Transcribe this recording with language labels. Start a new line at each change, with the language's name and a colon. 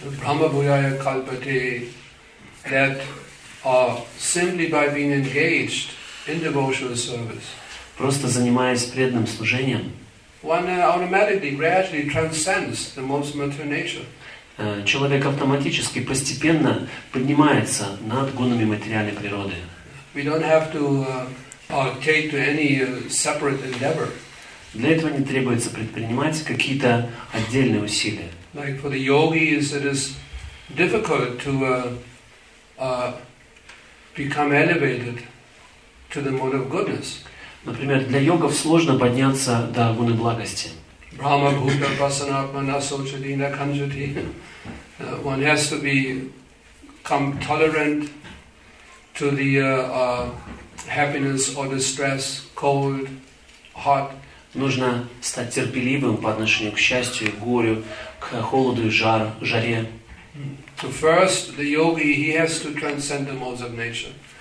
Sanskrit: Brahma Bhuyaya Kalpate,
English: that simply by being engaged in devotional service.
Russian: Просто занимаясь преданным служением.
English: One automatically, gradually transcends the most material nature.
Russian: Человек автоматически, постепенно поднимается над гунами материальной природы.
English: We don't have to take to any separate endeavor.
Russian: Для этого не требуется предпринимать какие-то отдельные усилия.
English: Like for the yogis, it is difficult to become elevated to the mode of goodness.
Russian: Например, для йогов сложно подняться до гуны благости.
Sanskrit: Brahma Bhuta Pasanatmana Sochadina Kanjati.
English: One has to become tolerant to the happiness or distress, cold, hot.
Russian: Нужно стать терпеливым по отношению к счастью, горю, к холоду и жаре.
English: So first, the yogi, he has to transcend the modes of nature.